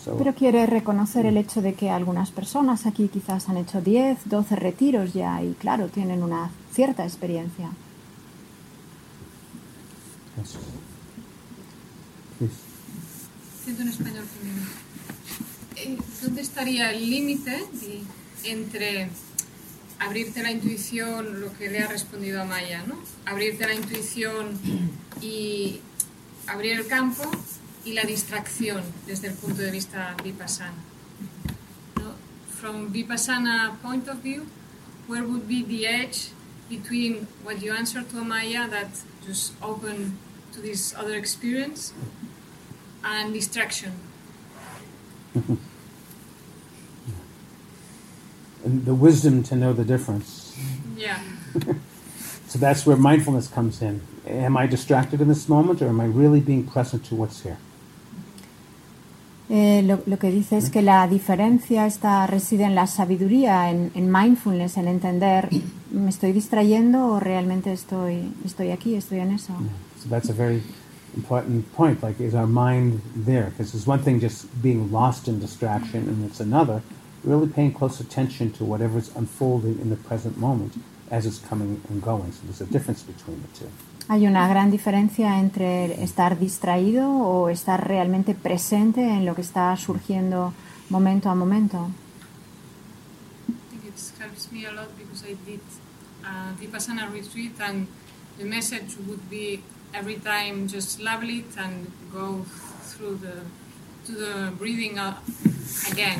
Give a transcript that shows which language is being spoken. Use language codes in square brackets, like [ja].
[en] So, [es] pero quiere reconocer el hecho de que algunas personas aquí quizás han hecho 10, 12 retiros ya y claro, tienen una cierta experiencia. [en] Yes. Please. [es] siento un español primero. ¿Dónde estaría el límite entre abrirte a la intuición, lo que le ha respondido a Maya, ¿no? Abrirte a la intuición y abrir el campo y la distracción desde el punto de vista vipassana? ¿No? [en] From vipassana point of view, where would be the edge between what you answered to Maya, that just open to this other experience, and distraction? And the wisdom to know the difference. Yeah. So that's where mindfulness comes in. Am I distracted in this moment, or am I really being present to what's here? [es] Lo que dice es que la diferencia está reside en la sabiduría, en mindfulness, en entender, ¿me estoy distrayendo o realmente estoy aquí, estoy en eso? [en] So that's a very important point, like, is our mind there? Because it's one thing just being lost in distraction, and it's another really paying close attention to whatever's unfolding in the present moment as it's coming and going. So there's a difference between the two. [es] Hay una gran diferencia entre estar distraído o estar realmente presente en lo que está surgiendo momento a momento. [en] I think it helps me a lot because I did a Vipassana retreat, and the message would be every time just level it and go through to the breathing again.